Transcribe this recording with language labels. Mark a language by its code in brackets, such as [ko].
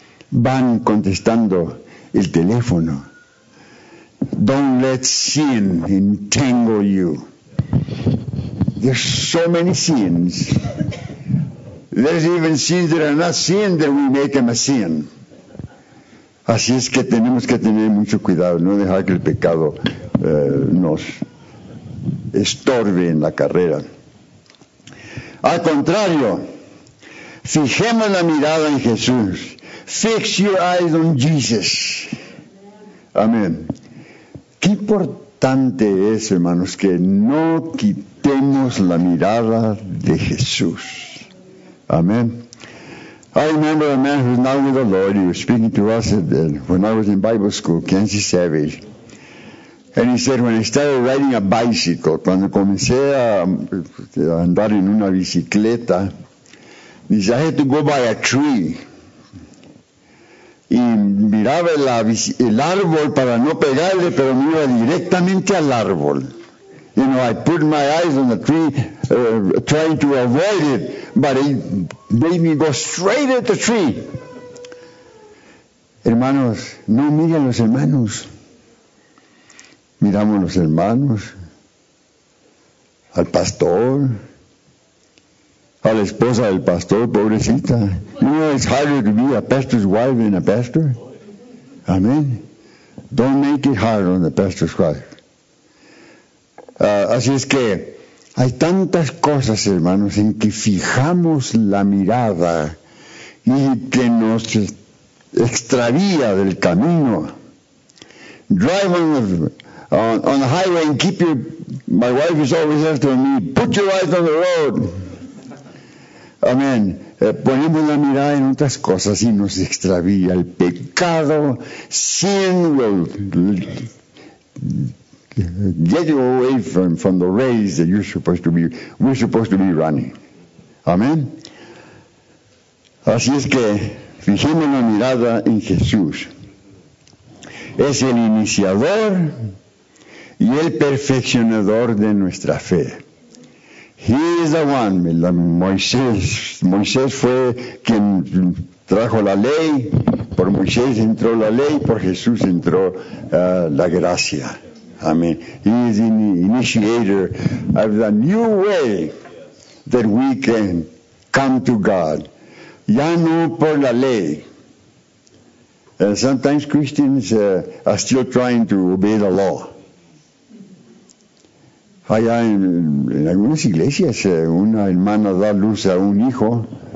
[es] Van contestando el teléfono. [en] Don't let sin entangle you. There's so many sins. There's even sins that are not sin that we make them a sin. [es] Así es que tenemos que tener mucho cuidado, no dejar que el pecado nos estorbe en la carrera. Al contrario, fijemos la mirada en Jesús. [en] Fix your eyes on Jesus. Amén. [es] Qué importante es, hermanos, que no quitemos la mirada de Jesús. Amén. [en] I remember a man who's now with the Lord. He was speaking to us when I was in Bible school, Kenzie Savage. And he said, when I started riding a bicycle, [es] cuando comencé a andar en una bicicleta, [en] he said, I had to go by a tree. [es] Y miraba el árbol para no pegarle, pero me iba directamente al árbol. [en] You know, I put my eyes on the tree, trying to avoid it, but it made me go straight at the tree. [es] Hermanos, no miren los hermanos. Miramos a los hermanos, al pastor, a la esposa del pastor, pobrecita. [en] You know it's harder to be a pastor's wife than a pastor. Amen. Don't make it hard on the pastor's wife. [es] Así es que hay tantas cosas, hermanos, en que fijamos la mirada y que nos extravía del camino. [en] Drive on the highway and keep your, my wife is always after me, put your eyes on the road. [es] Amén. Ponemos la mirada en otras cosas y nos extravía el pecado. [en] Sin will get you away from the race that you're supposed to be, we're supposed to be running. [es] Amén. Así es que fijemos la mirada en Jesús. Es el iniciador y el perfeccionador de nuestra fe. [en] He is the one. [es] Moisés fue quien trajo la ley. Por Moisés entró la ley. Por Jesús entró la gracia. Amén. [en] He is the initiator of the new way that we can come to God. [es] Ya no por la ley. [en] Sometimes Christians are still trying to obey the law. [es] Allá en algunas iglesias, una hermana da luz a un hijo.